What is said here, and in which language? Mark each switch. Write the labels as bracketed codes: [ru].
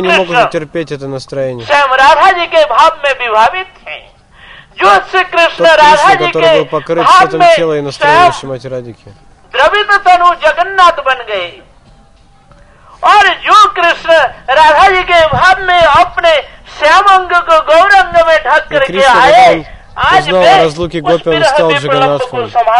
[ru] не мог терпеть это настроение. Тот Кришна, который был покрыт светом тела и настроением Мати Радхики. [hi] और जो कृष्ण राधा जी के भाव में अपने श्याम अंग को गौरंग में ढक करके आए, [ru] узнал о разлуке Гопи, он стал Джаганнатхом.